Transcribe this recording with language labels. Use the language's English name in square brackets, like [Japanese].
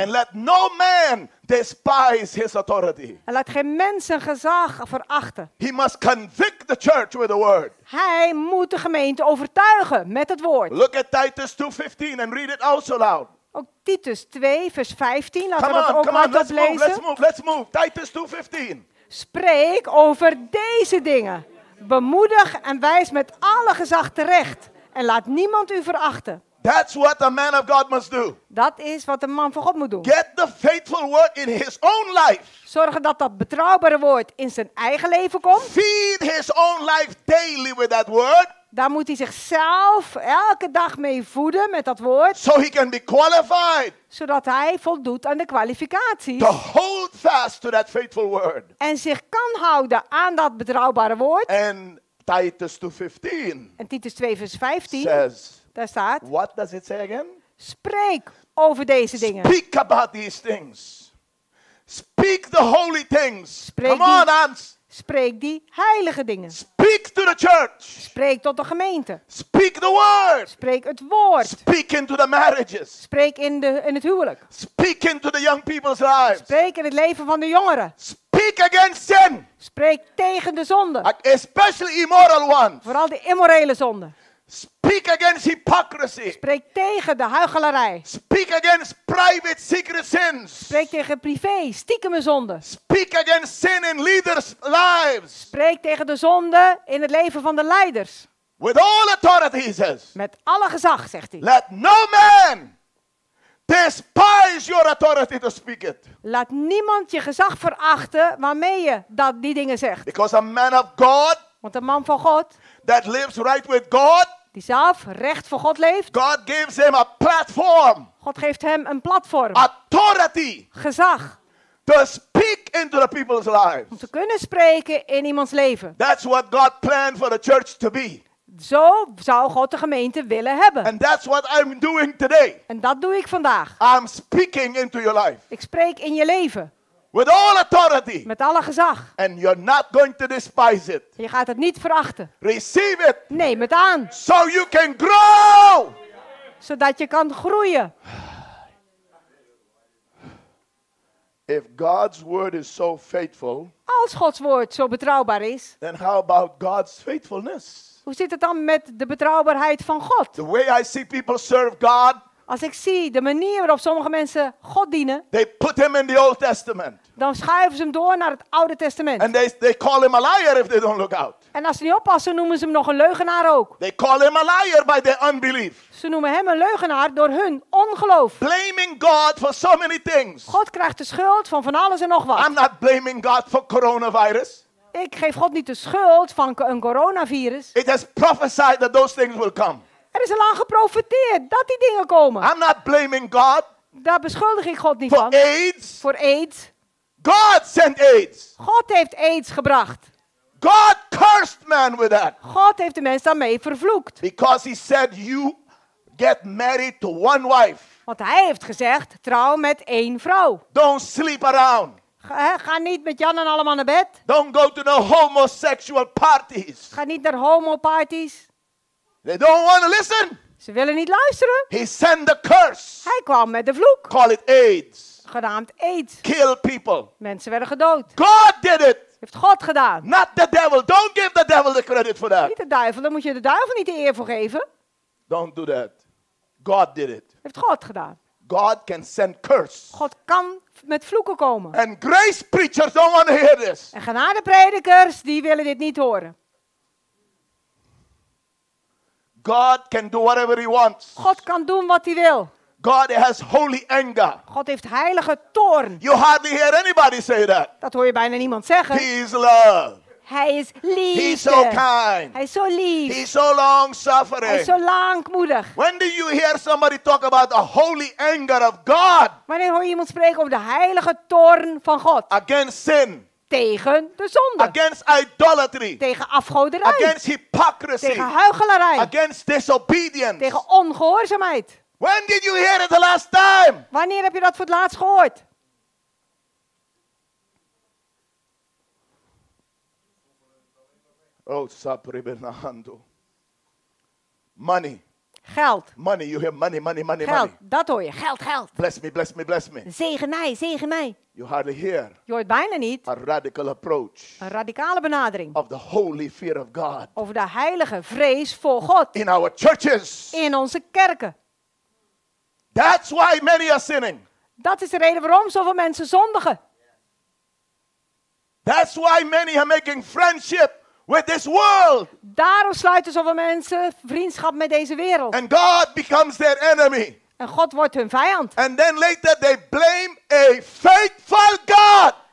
[English] And let no man despise his authority. [Dutch] En laat geen mens zijn gezag verachten. [English] He must convict the church with the word. [Dutch] Hij moet de gemeente overtuigen met het woord. [English] Look at Titus 2:15 and read it also loud. [Dutch] Ook Titus 2 vers 15. Laten we dat ook maar eens lezen. [English] Let's move, let's move. Titus 2:15. [Dutch] Spreek over deze dingen. Bemoedig en wijs met alle gezag terecht. En laat niemand u verachten. [English] That's what a man of God must do. [Dutch] Dat is wat een man van God moet doen. [English] Get the faithful word in his own life. [Dutch] Zorgen dat dat betrouwbare woord in zijn eigen leven komt. [English] Feed his own life daily with that word. [Dutch] Daar moet hij zichzelf elke dag mee voeden met dat woord. [English] So he can be qualified. [Dutch] Zodat hij voldoet aan de kwalificaties. [English] To hold fast to that faithful word. [Dutch] En zich kan houden aan dat betrouwbare woord. [English] And Titus 2:15. [Dutch] En Titus 2 vers 15. [English] Says, [Dutch] daar staat. [English] What does it say again? [Dutch] Spreek over deze [English] Speak [Dutch] dingen. [English] Speak about these things. Speak the holy things. [Dutch] Spreek [English] Come on, Hans. [Dutch] Spreek die heilige dingen. [English] Speak to the church. [Dutch] Spreek tot de gemeente. [English] Speak the word. [Dutch] Spreek het woord. [English] Speak into the marriages. [Dutch] Spreek in het huwelijk. [English] Speak into the young people's lives. [Dutch] Spreek in het leven van de jongeren. [English] Speak against sin. [Dutch] Spreek tegen de zonde. [English] Especially immoral ones. [Dutch] Vooral de immorele zonde. [English] Speak against hypocrisy. [Dutch] Spreek tegen de huichelarij. [English] Speak against private secret sins. [Dutch] Spreek tegen privé, stiekeme zonden. [English] Speak against sin in leaders' lives. [Dutch] Spreek tegen de zonde in het leven van de leiders. [English] With all authority, he says. [Dutch] Met alle gezag, zegt hij. [English] Let no man despise your authority to speak it. [Dutch] Laat niemand je gezag verachten waarmee je dat die dingen zegt. [English] Because a man of God. [Dutch] Want een man van God. [English] That lives right with God. [Dutch] Die zelf recht voor God leeft. [English] God gives him a platform. [Dutch] God geeft hem een platform. [English] Authority. [Dutch] Gezag. [English] To speak into the people's lives. [Dutch] Om te kunnen spreken in iemands leven. [English] That's what God planned for the church to be. [Dutch] Zo zou God de gemeente willen hebben. [English] And that's what I'm doing today. [Dutch] En dat doe ik vandaag. [English] I'm speaking into your life. [Dutch] Ik spreek in je leven. [English] With all authority. [Dutch] Met alle gezag. [English] And you're not going to despise it. [Dutch] Je gaat het niet verachten. [English] Receive it. [Dutch] Neem het aan. [English] So you can grow. [Dutch] Zodat je kan groeien. [English] If God's word is so faithful. [Dutch] Als Gods woord zo betrouwbaar is. [English] Then how about God's faithfulness? [Dutch] Hoe zit het dan met de betrouwbaarheid van God? [English] The way I see people serve God. [Dutch] Als ik zie de manier waarop sommige mensen God dienen. [English] They put him in the Old Testament. [Dutch] Dan schuiven ze hem door naar het Oude Testament. [English] And they call him a liar if they don't look out. [Dutch] En als ze niet oppassen, noemen ze hem nog een leugenaar ook. [English] They call him a liar by their unbelief. [Dutch] Ze noemen hem een leugenaar door hun ongeloof. [English] Blaming God for so many things. [Dutch] God krijgt de schuld van alles en nog wat. [English] I'm not blaming God for coronavirus. [Dutch] Ik geef God niet de schuld van een coronavirus. [English] It has prophesied that those things will come. [Dutch] Er is al lang geprofeteerd dat die dingen komen. [English] I'm not blaming God. [Dutch] Daar beschuldig ik God niet [English] for [Dutch] van. [English] AIDS. [Dutch] Voor AIDS. [English] God sent AIDS. [Dutch] God heeft AIDS gebracht. [English] God cursed man with that. [Dutch] God heeft de mens daarmee vervloekt. [English] Because he said you get married to one wife. [Dutch] Want hij heeft gezegd trouw met één vrouw. [English] Don't sleep around. [Dutch] Ga niet met Jan en allemaal naar bed. [English] Don't go to the homosexual parties. [Dutch] Ga niet naar homoparties. [English] They don't want to listen. [Dutch] Ze willen niet luisteren. [English] He sent the curse. [Dutch] Hij kwam met de vloek. [English] Call it AIDS. [Dutch] Genaamd AIDS. [English] Kill people. [Dutch] Mensen werden gedood. [English] God did it. [Dutch] Heeft God gedaan. [English] Not the devil. Don't give the devil the credit for that. [Dutch] Niet de duivel. Dan moet je de duivel niet de eer voor geven. [English] Don't do that. God did it. [Dutch] Heeft God gedaan. [English] God can send curse. [Dutch] God kan met vloeken komen. [English] And grace preachers don't want to hear this. [Dutch] En genadepredikers die willen dit niet horen. [English] God can do whatever he wants. [Dutch] God kan doen wat hij wil. [English] God has holy anger. [Dutch] God heeft heilige toorn. [English] You hardly hear anybody say that. [Dutch] Dat hoor je bijna niemand zeggen. [English] He is love. [Dutch] Hij is liefde. [English] He's so kind. [Dutch] Hij is zo lief. [English] He's so long-suffering. [Dutch] Hij is zo langmoedig. [English] When do you hear somebody talk about the holy anger of God? [Dutch] Wanneer hoor je iemand spreken over de heilige toorn van God? [English] Against sin. [Dutch] Tegen de zonde. [English] Against idolatry. [Dutch] Tegen afgoderij. [English] Against hypocrisy. [Dutch] Tegen huichelarij. [English] Against disobedience. [Dutch] Tegen ongehoorzaamheid. [English] When did you hear it the last time? [Dutch] Wanneer heb je dat voor het laatst gehoord? [English] Oh, sapribenando. Money. [Dutch] Geld. [English] Money, you hear money, money, money, [Dutch] geld. [English] Money. [Dutch] Geld, dat hoor je. Geld, geld. [English] Bless me, bless me, bless me. [Dutch] Zegen mij, zegen mij. [English] You hardly hear. [Dutch] Je hoort bijna niet. [English] A radical approach. [Dutch] Een radicale benadering. [English] Of the holy fear of God. [Dutch] Over de heilige vrees voor God. [English] In our churches. [Dutch] In onze kerken. [English] That's why many are sinning. [Dutch] Dat is de reden waarom zoveel mensen zondigen. [English] That's why many are making friendship. With this world. [Dutch] Daarom sluiten zoveel mensen vriendschap met deze wereld. [English] And God becomes their enemy. [Dutch] En God wordt hun vijand. [English] And then later they blame a faithful God.